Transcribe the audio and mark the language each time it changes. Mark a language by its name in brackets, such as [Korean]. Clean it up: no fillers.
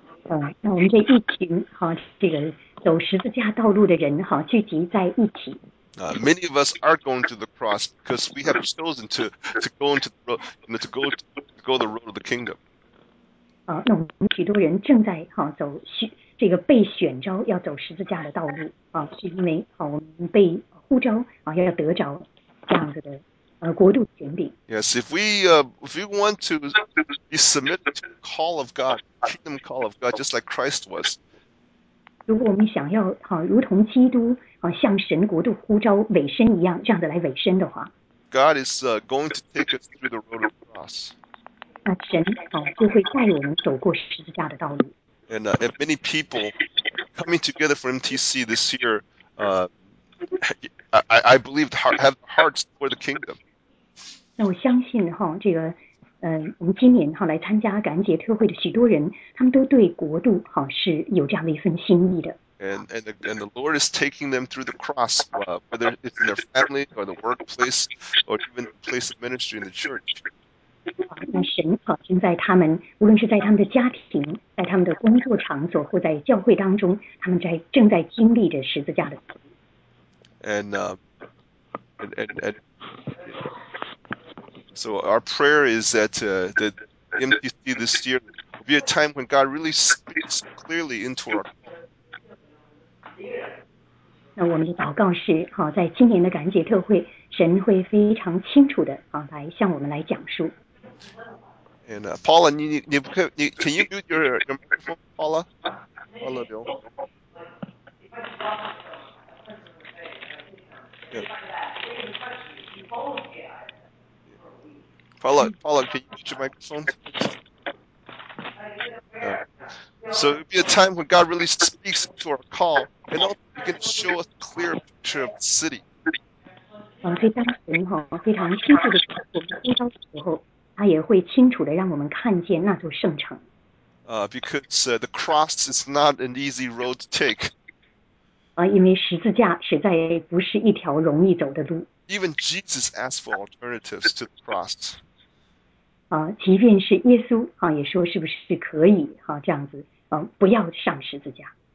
[Chinese] 那我们这一群这个走十字架道路的人聚集在一起。 [English] Many of us are going through the cross because we have chosen to go the road of the kingdom. [Chinese] 那我们许多人正在走这个被选召要走十字架的道路是因为我们被呼召要得着这样子的国度权柄。 [English] Yes, if we want to be submitted to the call of God, kingdom call of God, just like Christ was. [Chinese] 如果我们想要如同基督向神国度呼召委身一样，这样的来委身的话 [English] ，God is going to take us through the road of the cross. [Chinese] 那神就会带我们走过十字架的道路。 [English] And if many people coming together for MTC this year, I believe have hearts for the kingdom. [Chinese] 那我相信这个我们今年来参加感恩节特会的许多人，他们都对国度是有这样的一份心意的。 [English] And the Lord is taking them through the cross, whether it's in their family or the workplace or even the place of ministry in the church. [Chinese] 那神正在他们，无论是在他们的家庭，在他们的工作场所，或在教会当中，他们在正在经历着十字架的。 [English] And so our prayer is that that MTC this year will be a time when God really speaks clearly into our. [Chinese] 那我们的祷告是在今年的感恩节特会，神会非常清楚的来向我们来讲述。 [English] And Paula, can you mute your microphone, Paula? Paula, Bill. Paula, can you mute your microphone? So it would be a time when God really speaks to our call, and also he can show us a clear picture of the city. Because the cross is not an easy road to take. Even Jesus asked for alternatives to the cross. [Chinese] 即便是耶稣也说是不是可以这样子不要上十字架。